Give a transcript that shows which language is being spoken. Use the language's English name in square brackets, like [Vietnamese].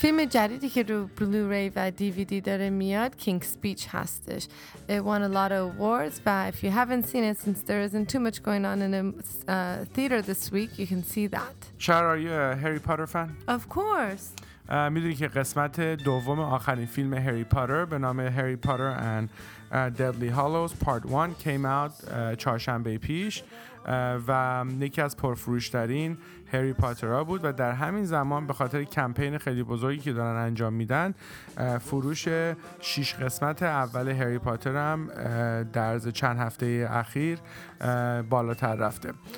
[Persian] جدیدی که رو بلو ری و دی وی دی داره میاد کینگ سپیچ هستش. [English] It won a lot of awards, but if you haven't seen it since there isn't too much going on in a theater this week, you can see that. Char, are you a Harry Potter fan? Of course. [Persian] میدونی که قسمت دوم آخرین فیلم هری پاتر به نام هری پاتر [English] and Deadly Hallows Part 1 came out [Persian] چهارشنبه پیش و یکی از پرفروش‌ترین هری پاتر ها بود و در همین زمان به خاطر کمپین خیلی بزرگی که دارن انجام میدن، فروش 6 قسمت اول هری پاتر هم در عرض چند هفته اخیر بالاتر رفته.